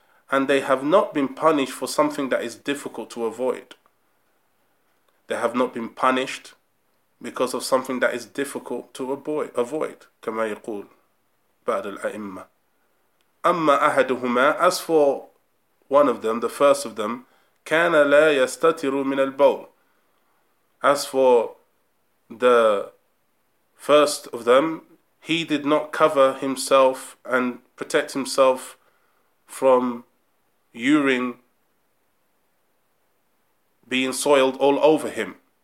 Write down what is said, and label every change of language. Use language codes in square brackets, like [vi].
[en] And they have not been punished for something that is difficult to avoid. They have not been punished because of something that is difficult to avoid. [ar] كما يقول بعض الأئمة. أما أحدهما, [en] as for one of them, [ar] the first of them, كان لا يستتر من البول. [en] As for the first of them, he did not cover himself and protect himself from urine being soiled all over him.